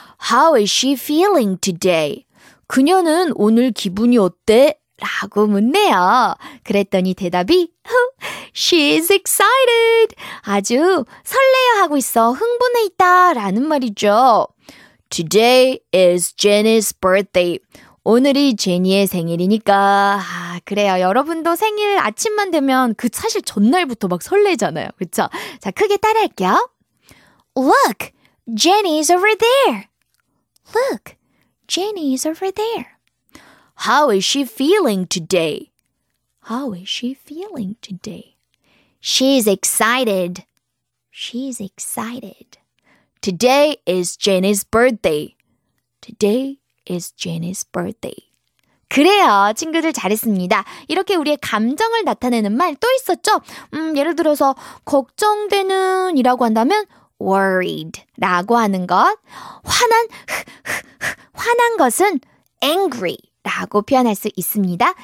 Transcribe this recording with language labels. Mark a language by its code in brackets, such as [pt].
[en] How is she feeling today? [ko] 그녀는 오늘 기분이 어때? 라고 묻네요. 그랬더니 대답이 [en] She's excited. [ko] 아주 설레어 하고 있어. 흥분해 있다. 라는 말이죠. [en] Today is Jenny's birthday. [ko] 오늘이 제니의 생일이니까. 아, 그래요. 여러분도 생일 아침만 되면 그 사실 전날부터 막 설레잖아요. 그쵸? 자, 크게 따라할게요. [en] Look, Jenny's over there. Look, Jenny's over there. How is she feeling today? How is she feeling today? She's excited. She's excited. Today is Jenny's birthday. Today is Jenny's birthday. [ko] 그래요, 친구들 잘했습니다. 이렇게 우리의 감정을 나타내는 말 또 있었죠? 예를 들어서 걱정되는 이라고 한다면 worried 라고 하는 것, 화난 화난 것은 angry 라고 표현할 수 있습니다.